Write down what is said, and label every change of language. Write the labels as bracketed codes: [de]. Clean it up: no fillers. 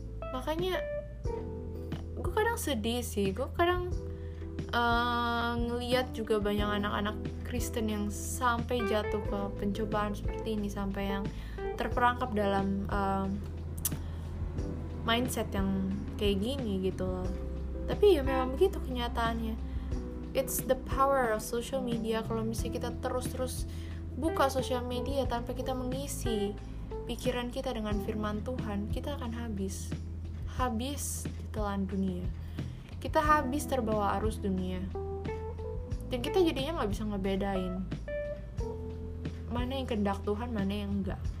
[id] Makanya gue kadang sedih sih, gue kadang ngelihat juga banyak anak-anak Kristen yang sampai jatuh ke pencobaan seperti ini, sampai yang terperangkap dalam mindset yang kayak gini gitu loh. Tapi ya memang begitu kenyataannya. [en] It's the power of social media. [id] Kalau misalnya kita terus-terus buka social media tanpa kita mengisi pikiran kita dengan firman Tuhan, kita akan habis ditelan dunia, kita habis terbawa arus dunia, dan kita jadinya gak bisa ngebedain mana yang kehendak Tuhan, mana yang enggak.